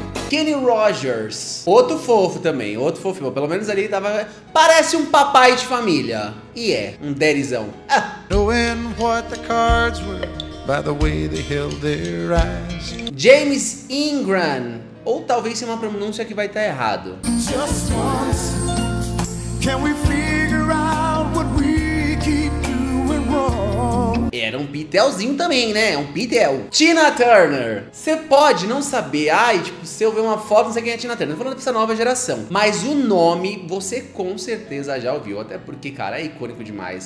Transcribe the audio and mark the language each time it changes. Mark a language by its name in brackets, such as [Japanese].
[Portuguese] Kenny Rogers, outro fofo também, outro fofo, pelo menos ali tava, parece um papai de família, e é, um derizão. James Ingram, ou talvez seja uma pronúncia que vai estar errado. [English] Just once, can we figure out what we keep doing wrong? [Portuguese] Era um pitelzinho também, né? Um pitel. Tina Turner. Você pode não saber. Ai, tipo, se eu ver uma foto, não sei quem é Tina Turner. Tô falando dessa nova geração. Mas o nome, você com certeza já ouviu. Até porque, cara, é icônico demais.